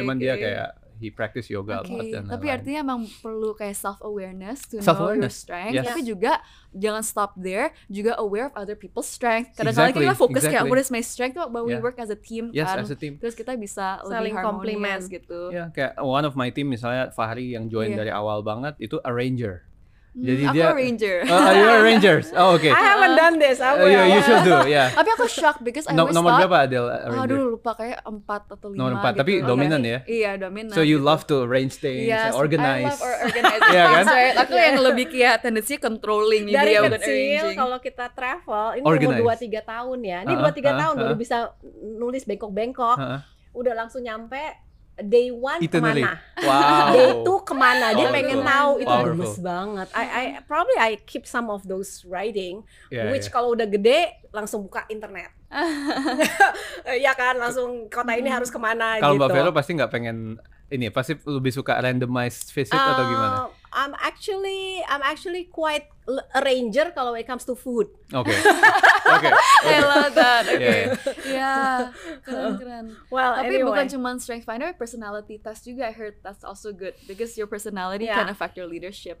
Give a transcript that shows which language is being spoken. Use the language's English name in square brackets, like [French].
[English] Cuman dia kayak he practice yoga a lot. [Indonesian] Tapi artinya emang perlu kayak self-awareness to know your strength. [English] Yes. Tapi juga jangan stop there, juga aware of other people's strength. Kadang-kadang kita fokus kayak what is my strength, but we work as a team. Yes, kan? As a team. [Indonesian] Terus kita bisa saling compliment gitu. Yeah, kayak one of my team misalnya Fahri yang join dari awal banget itu arranger. Jadi aku arranger. [English] Are you arrangers? Oh, okay. I haven't done this. You should do. Yeah. Tapi aku shocked because I [Indonesian] nomor berapa Adele arranger? Aduh, lupa kayak 4 atau 5. Nomor 4, gitu. Tapi dominan ya. Iya, dominan. [English] So you love to arrange things, yes, organize. I love organizing. [Indonesian] Iya kan? Aku yang lebih kayak tendensinya controlling dari dia kecil. Kalau kita travel, ini organize. Umur 2-3 tahun ya. Ini 2-3 tahun baru bisa nulis bengkok-bengkok. Udah langsung nyampe day 1 kemana, day 2 kemana, dia pengen tahu, itu gemes banget. [English] I probably keep some of those writing, [Indonesian] kalau udah gede langsung buka internet. Ya kan, langsung kota ini harus kemana kalau gitu. Kalau Mbak Vero pasti nggak pengen ini, pasti lebih suka randomized visit atau gimana? [English] I'm actually quite a ranger kalau it comes to food. Okay. Okay. I love that. Okay. [Indonesian] Keren. Well, tapi bukan cuma strength finder, personality test juga. [English] I heard that's also good because your personality can affect your leadership.